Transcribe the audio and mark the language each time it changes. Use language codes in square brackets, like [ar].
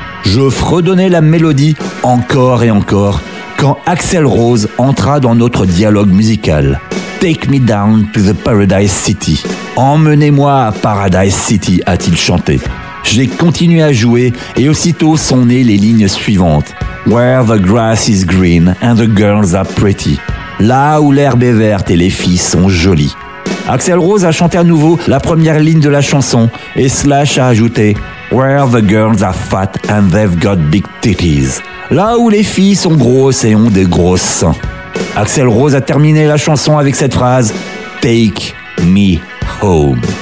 [fr] Je fredonnais la mélodie encore et encore quand Axl Rose entra dans notre dialogue musical. « [en] Take me down to the Paradise City. [fr] Emmenez-moi à Paradise City », a-t-il chanté. J'ai continué à jouer et aussitôt sont nées les lignes suivantes. [en] Where the grass is green and the girls are pretty. [fr] Là où l'herbe est verte et les filles sont jolies. Axl Rose a chanté à nouveau la première ligne de la chanson et Slash a ajouté [en] Where the girls are fat and they've got big titties. [fr] Là où les filles sont grosses et ont des gros seins. Axl Rose a terminé la chanson avec cette phrase [en] Take me home.